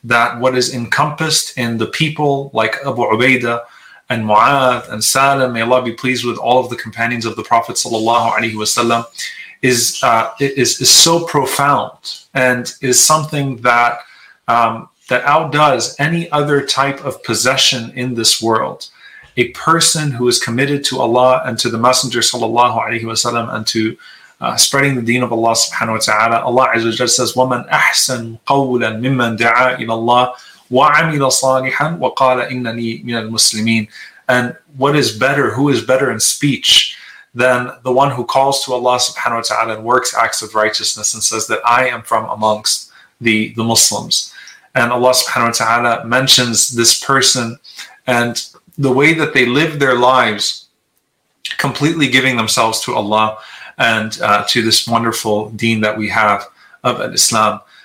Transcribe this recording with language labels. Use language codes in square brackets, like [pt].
[en] That what is encompassed in the people like Abu Ubaidah and Mu'adh and Salim, may Allah be pleased with all of the companions of the Prophet sallallahu alayhi wa sallam, is so profound and is something that that outdoes any other type of possession in this world. A person who is committed to Allah and to the Messenger sallallahu alayhi wa sallam and to spreading the deen of Allah subhanahu wa ta'ala. [ar] Allah Azza wa Jalla says, وَمَنْ أَحْسَنْ قَوْلًا مِمَّنْ دَعَى إِلَى اللَّهِ وَعَمِلَ صَالِحًا وَقَالَ إِنَّنِي مِنَ الْمُسْلِمِينَ. [en] And what is better, who is better in speech than the one who calls to Allah subhanahu wa ta'ala and works acts of righteousness and says that I am from amongst the Muslims. And Allah subhanahu wa ta'ala mentions this person and the way that they live their lives, completely giving themselves to Allah and to this wonderful deen that we have of Islam.